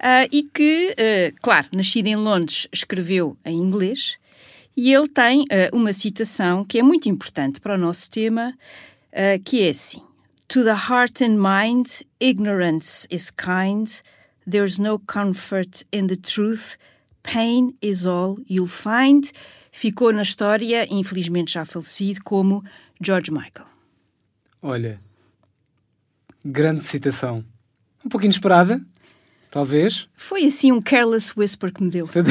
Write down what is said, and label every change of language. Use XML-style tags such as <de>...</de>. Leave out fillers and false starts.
<pt>e que, claro, nascido em Londres, escreveu em inglês, e ele tem uma citação que é muito importante para o nosso tema, que é assim:</pt> <en>"To the heart and mind, ignorance is kind. There's no comfort in the truth. Pain is all you'll find."</en> <pt>Ficou na história, infelizmente já falecido, como George Michael. Olha, grande citação. um pouco inesperada, talvez. Foi assim um careless whisper que me deu.</pt>